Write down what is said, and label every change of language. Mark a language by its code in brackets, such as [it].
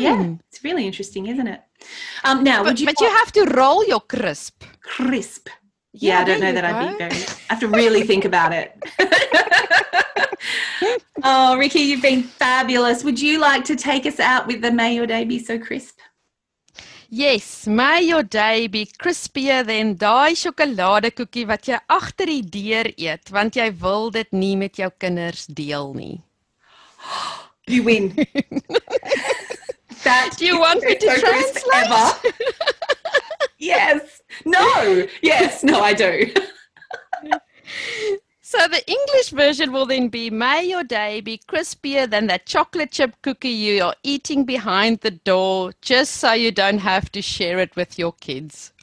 [en] Yeah, it's really interesting, isn't it? You have to roll your crisp. Crisp. Yeah, I don't know that go. I'd be very... I have to really think about it. Oh, Ricky, you've been fabulous. Would you like to take us out with the May Your Day Be So Crisp? Yes, may your day be crispier than [af] daai sjokoladekoekie wat jy agter die deur eet, want jy wil dit nie met jou kinders deel nie. [en] You win. Do you want me to translate? Ever? Yes. No. Yes. No, I do. So the English version will then be, may your day be crispier than that chocolate chip cookie you are eating behind the door, just so you don't have to share it with your kids.